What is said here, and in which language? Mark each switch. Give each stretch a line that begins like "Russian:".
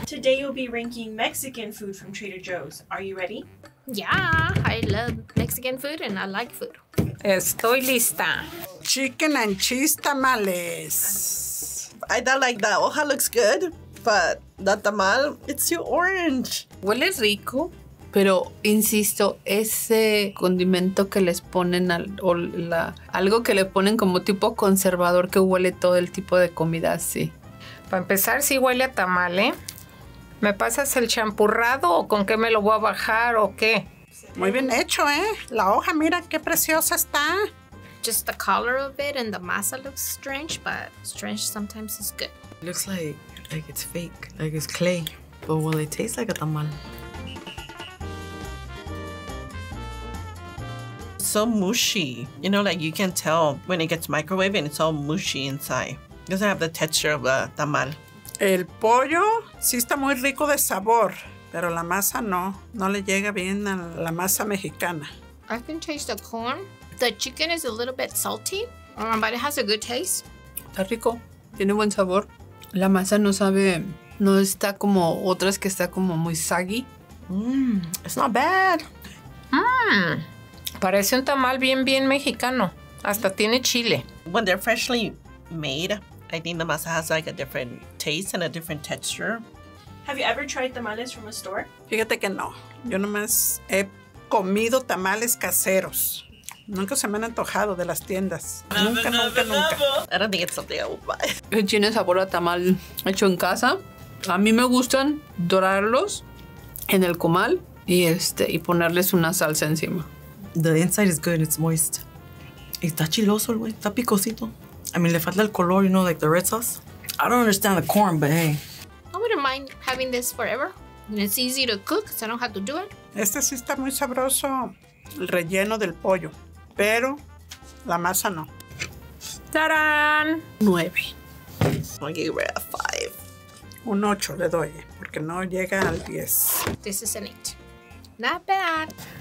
English: Today you'll be ranking Mexican food from Trader Joe's. Are you ready? Yeah, I love Mexican food and I like food.
Spanish: Estoy lista.
English: Chicken and cheese tamales. I don't like that. Hoja looks good, but the tamal, it's too orange.
Spanish: Huele rico, pero insisto, ese condimento que les ponen al, o la, algo que le ponen como tipo conservador que huele todo el tipo de comida así. Para empezar, sí huele a tamal, ¿eh? ¿Me pasas el champurrado o con qué me lo voy a bajar o qué? Muy bien hecho, ¿eh? La hoja, mira qué preciosa está.
English: Just the color of it and the masa looks strange, but strange sometimes is good. Looks like it's fake, like it's clay. But will it taste like a tamal? So mushy. You know, like you can tell when it gets microwaved and it's all mushy inside. It doesn't have the texture of the tamal.
Spanish: El pollo sí está muy rico de sabor, pero la masa no. No le llega bien a la masa mexicana.
English: I can taste the corn. The chicken is a little bit salty, but it has a good taste.
Spanish: Está rico. Tiene buen sabor. La masa no sabe, no está como otras que está como muy saggy.
English: It's not bad.
Spanish: Parece un tamal bien, bien mexicano. Hasta tiene chile.
English: When they're freshly made, I think the masa has like a different taste and a different texture. Have you ever tried tamales from a store?
Spanish: Fíjate que no. Yo nomás he comido tamales caseros. Nunca se me han antojado de las tiendas. Nunca, nunca, nunca.
English: I don't think it's something I would buy.
Spanish: Tiene sabor a tamal hecho en casa. A mí me gustan dorarlos en el comal y ponerles una salsa encima.
English: The inside is good, it's moist.
Spanish: Está chiloso, güey. Está picosito.
English: I mean,
Spanish: le falta el color,
English: you know, like the red sauce. I don't understand the corn, but hey. I wouldn't mind having this forever. And it's easy to cook, so I don't have to do it.
Spanish: Este sí está muy sabroso, el relleno del pollo. Pero la masa no. ¡Tarán! 9.
English: I'll give it a 5.
Spanish: Un 8 le doy, porque no llega al 10.
English: This is an 8. Not bad.